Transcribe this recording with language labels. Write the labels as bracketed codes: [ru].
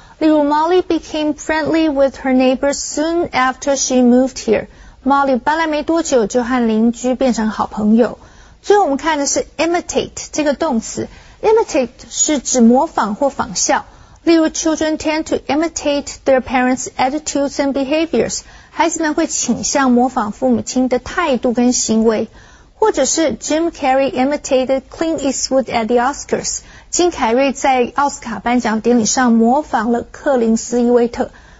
[zh] 例如 [en] Molly became friendly with her neighbor soon after she moved here. [zh] Molly 搬来没多久就和邻居变成好朋友。最后我们看的是 imitate 这个动词。Imitate 是指模仿或仿效。例如 [en] children tend to imitate their parents' attitudes and behaviors. [zh] 孩子们会倾向模仿父母亲的态度跟行为。或者是 [en] Jim Carrey imitated Clint Eastwood at the Oscars. [zh] 金凯瑞在奥斯卡颁奖典礼上模仿了克林斯伊威特。